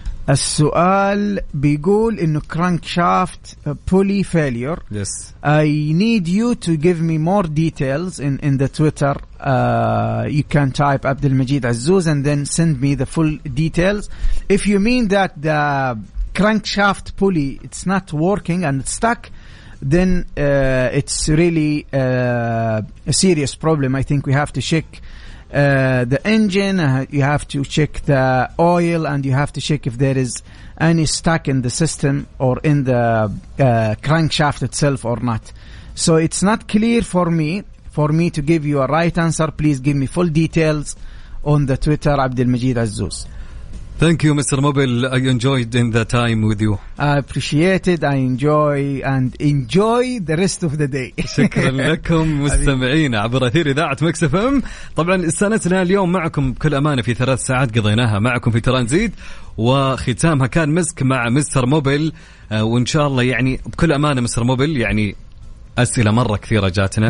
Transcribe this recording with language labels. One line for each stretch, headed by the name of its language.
Arabic: السؤال بيقول إنه كرنك شافت بولي فاليور.
English: Yes. I need you to give me more details in the Twitter. You can type عبد المجيد عزوز and then send me the full details. If you mean that the crank shaft pulley it's not working and it's stuck, then it's really a serious problem. I think we have to check the engine, you have to check the oil, and you have to check if there is any stuck in the system or in the crankshaft itself or not. So it's not clear for me to give you a right answer. Please give me full details on the Twitter, Abdelmajid Azzouz. Thank you, Mr. Mobile. I enjoyed in the time with you. I appreciate it. I enjoy and enjoy the rest of the day.
Arabic: شكرا لكم مستمعين عبر أثير إذاعة ميكس اف ام. طبعا استأنسنا اليوم معكم بكل أمانة في 3 ساعات قضيناها معكم في ترانزيت, وختامها كان مسك مع مستر موبيل. وإن شاء الله يعني بكل أمانة مستر موبيل يعني أسئلة مرة كثيرة جاتنا.